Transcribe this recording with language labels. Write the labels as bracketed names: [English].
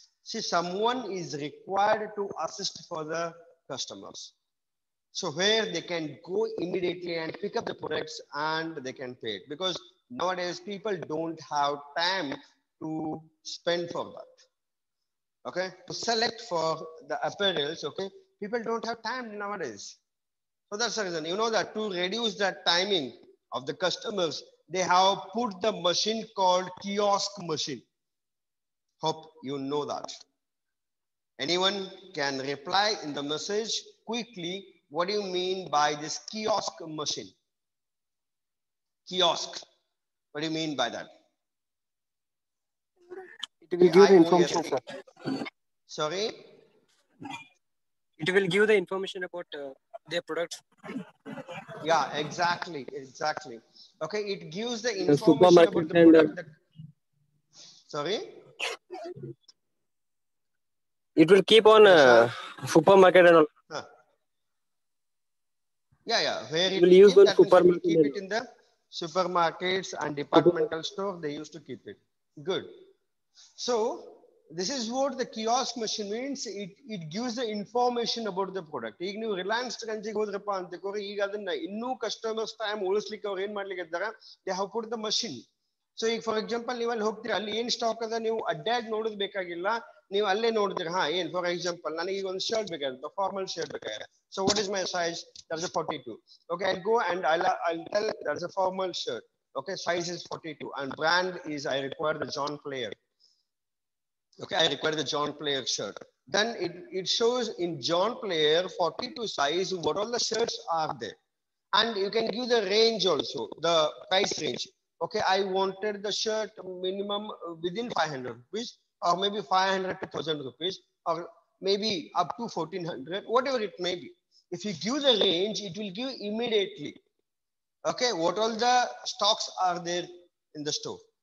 [English] See some one is required to assist for the customers, so where they can go immediately and pick up the products and they can pay it, because now days people don't have time to spend for that. Okay, to select for the apparels, okay people don't have time now days. So that's the reason, you know that to reduce the timing of the customers, they have put the machine called kiosk machine. Hope you know that. Anyone can reply in the message quickly, what do you mean by this kiosk machine? Kiosk, what do you mean by that? It will give the information, sir. Sorry? It will give the information about their product. Yeah, exactly, exactly. Okay, it gives the information about the product. Sorry? It will keep on supermarket and all. Yeah, yeah. Where it will use the supermarket. Keep it in the supermarkets and departmental store. They used to keep it. Good. So this is what the kiosk machine means. It gives the information about the product. [Kannada] ಈಗ ನೀವು ರಿಲಯನ್ಸ್ ಟ್ರೆಂಡ್ಸ್ಗೆ ಹೋದ್ರೆ ಅಂತಕೋರಿ, ಈಗ ಅದನ್ನ ಇನ್ನೂ customers time ಉಳಿಸ್ಲಿಕ್ಕೆ ಅವ್ರು ಏನ್ ಮಾಡ್ಲಿಕ್ಕೆ ಇದ್ದಾರೆ, [English] They have put the machine. [Kannada] So ಈಗ ಫಾರ್ ಎಕ್ಸಾಂಪಲ್, ನೀವು ಅಲ್ಲಿ ಹೋಗ್ತೀರಿ, ಅಲ್ಲಿ ಏನ್ ಸ್ಟಾಕ್ ಅದ ನೀವು ಅಡ್ಡಾಡ್ ನೋಡೋದು ಬೇಕಾಗಿಲ್ಲ, ನೀವು ಅಲ್ಲೇ ನೋಡಿದ್ರೆ ಹಾ ಏನ್. [English] for example, [Kannada] ನನಗೆ ಈಗ ಒಂದು ಶರ್ಟ್ ಬೇಕಾಗಿತ್ತು, ಫಾರ್ಮಲ್ ಶರ್ಟ್ ಬೇಕಾಗಿದೆ. [English] So what is my size? That's a 42. Okay, I go and I tell that's a formal shirt, okay size is 42 and brand is I require the John Player. Okay, I require the John Player shirt. Then it shows in John Player 42 size, what all the shirts are they, and you can give the range also, the price range. Okay, I wanted the shirt minimum within 500 rupees or maybe 500 to 1000 rupees or maybe up to 1400, whatever it may be. If you give the range, it will give immediately. Okay, what all the stocks are there in the store.